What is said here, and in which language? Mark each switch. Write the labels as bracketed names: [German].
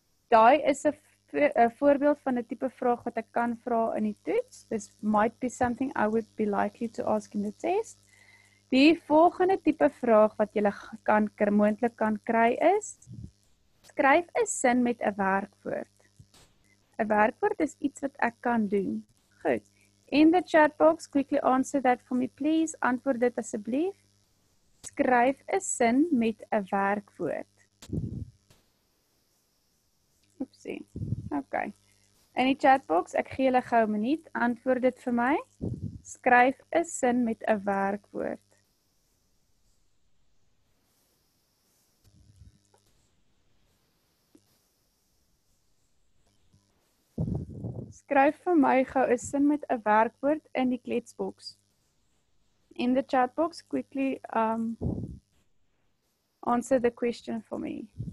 [Afrikaans] Daai is 'n voorbeeld van 'n tipe vraag wat ek kan vra in die toets. [English] This might be something I would be likely to ask in the test. [Afrikaans] Die volgende tipe vraag wat jy moontlik kan kry is, skryf 'n sin met 'n werkwoord. 'n Werkwoord is iets wat ek kan doen. Goed. [English] In the chat box, quickly answer that for me, please. [Afrikaans] Antwoord dit asseblief. Skryf 'n sin met 'n werkwoord. Oepsie. Ok, in die chatbox, ek gee julle gou 'n minuut, antwoord dit vir my. Skryf 'n sin met 'n werkwoord. Skryf vir my gou 'n sin met 'n werkwoord in die kletsbox. [English] In the chatbox, quickly answer the question for me.